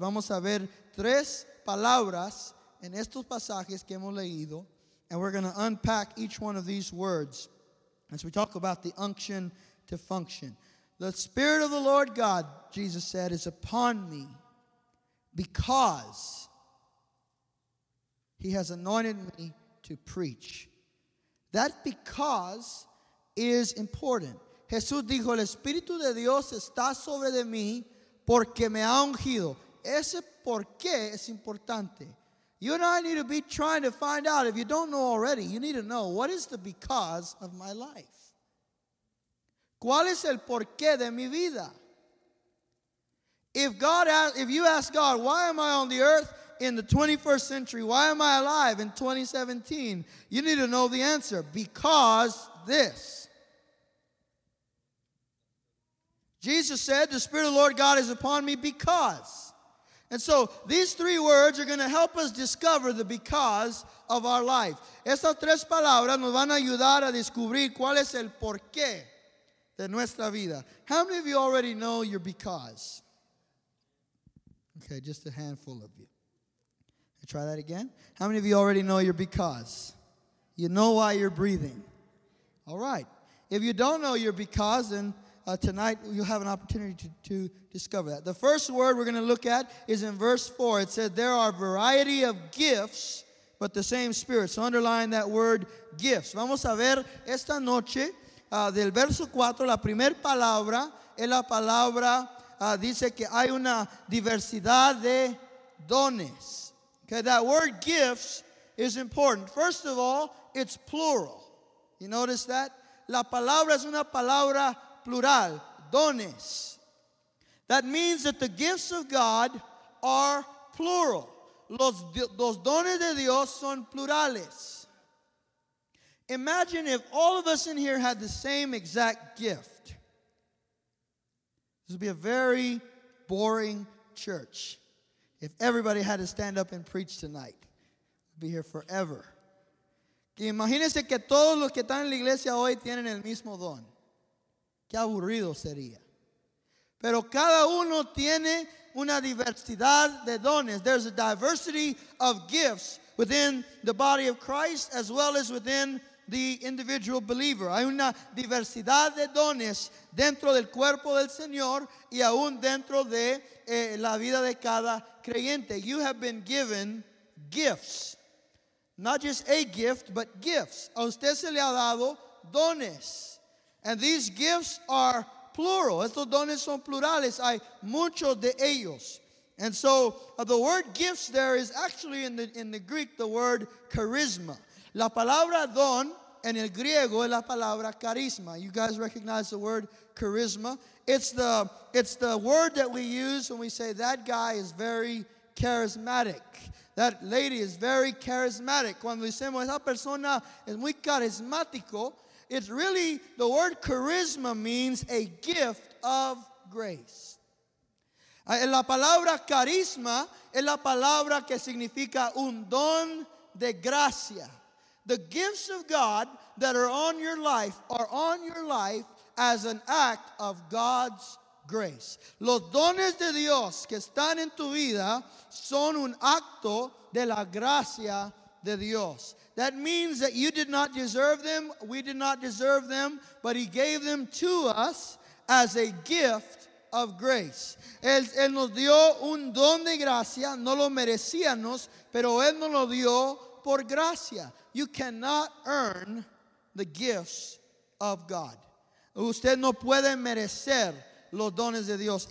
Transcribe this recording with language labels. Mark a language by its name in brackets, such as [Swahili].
[Spanish] Vamos a ver tres palabras en estos pasajes que hemos leído, [English] and we're going to unpack each one of these words as we talk about the unction to function. The Spirit of the Lord God, Jesus said, is upon me because he has anointed me to preach. That because is important. [Spanish] Jesús dijo, el Espíritu de Dios está sobre de mí porque me ha ungido. Ese por qué es importante. [English] You and I need to be trying to find out, if you don't know already, you need to know, what is the because of my life? [Spanish] ¿Cuál es el por qué de mi vida? [English] If you ask God, why am I on the earth in the 21st century? Why am I alive in 2017? You need to know the answer. Because this. Jesus said, the Spirit of the Lord God is upon me because. And so these three words are going to help us discover the because of our life. [Spanish] Estas tres palabras nos van a ayudar a descubrir cuál es el porqué de nuestra vida. [English] How many of you already know your because? Okay, just a handful of you. I try that again. How many of you already know your because? You know why you're breathing. All right. If you don't know your because, then tonight you'll have an opportunity to discover that. The first word we're going to look at is in verse 4. It said, there are a variety of gifts, but the same Spirit. So underline that word, gifts. [Spanish] Vamos a ver esta noche, del verso 4, la primera palabra es la palabra, dice que hay una diversidad de dones. [English] Okay, that word gifts is important. First of all, it's plural. You notice that? [Spanish] La palabra es una palabra plural, dones. [English] That means that the gifts of God are plural. [Spanish] Los dones de Dios son plurales. [English] Imagine if all of us in here had the same exact gift. This would be a very boring church. If everybody had to stand up and preach tonight, we'd be here forever. [Spanish] Imagínense que todos los que están en la iglesia hoy tienen el mismo don. Qué aburrido sería. Pero cada uno tiene una diversidad de dones. [English] There's a diversity of gifts within the body of Christ as well as within the individual believer. [Spanish] Hay una diversidad de dones dentro del cuerpo del Señor y aún dentro de la vida de cada creyente. [English] You have been given gifts. Not just a gift, but gifts. [Spanish] A usted se le ha dado dones. [English] And these gifts are plural. [Spanish] Estos dones son plurales. Hay muchos de ellos. [English] And so the word gifts there is actually in the Greek the word charisma. [Spanish] La palabra don en el griego es la palabra carisma. [English] You guys recognize the word charisma? It's the word that we use when we say that guy is very charismatic. That lady is very charismatic. [Spanish] Cuando decimos esa persona es muy carismático, [English] it's really, the word charisma means a gift of grace. [Spanish] La palabra carisma es la palabra que significa un don de gracia. [English] The gifts of God that are on your life are on your life as an act of God's grace. [Spanish] Los dones de Dios que están en tu vida son un acto de la gracia de Dios. [English] That means that you did not deserve them, we did not deserve them, but he gave them to us as a gift of grace. [Spanish] Él nos dio un don de gracia, no lo merecíamos, pero él nos lo dio por gracia. [English] You cannot earn the gifts of God. [Spanish] Usted no puede merecer los dones de Dios.